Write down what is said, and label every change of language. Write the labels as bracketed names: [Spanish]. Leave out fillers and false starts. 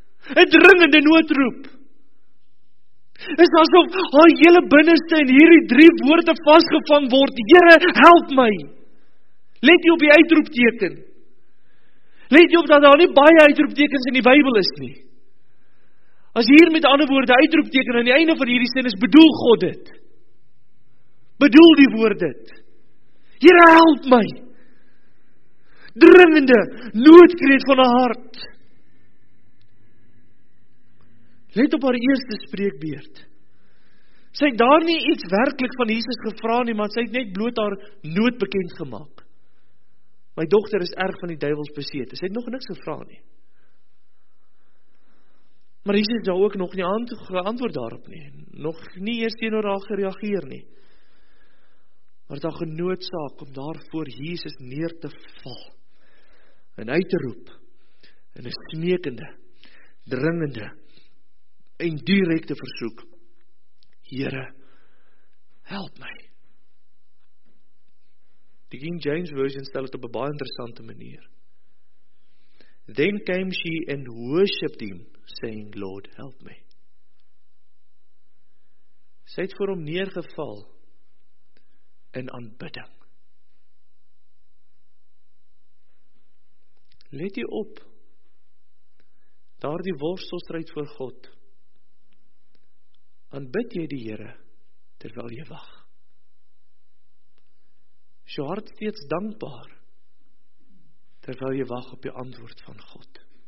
[Afrikaans] 'N dringende noodroep. Is asof haar hele binneste in hierdie drie woorde vasgevang word, Here, help my. Let jy op die uitroepteken. Let jy op dat daar nie baie uitroeptekens in die Bybel is nie. As hier met ander woorde uitroepteken aan die einde van hierdie sin is, bedoel God dit. Bedoel die woord dit. Here, help my. Dringende noodkreet van haar hart. Let op haar eerste spreekbeurt. Sy het daar nie iets werklik van Jesus gevra nie, maar sy het net bloot haar nood bekend gemaak. My dogter is erg van die duivels beseet. Sy het nog niks gevra nie. Maar Jesus het ook nog nie geantwoord daarop nie. Nog nie eers teenoor haar gereageer nie. Maar het haar genoodsaak om daar voor Jesus neer te val. En uit te roep. En 'n smeekende, dringende en direkte versoek. Here, help my. Die King James Version stel het op 'n baie interessante manier. [English] Then came she and worshipped him, saying, Lord, help me. [Afrikaans] Sy het voor hom neergeval in aanbidding. Let jy op, daar die worstelstryd voor God, aanbid jy die Here terwyl jy wag. Is jou hart steeds dankbaar terwyl jy wag op die antwoord van God?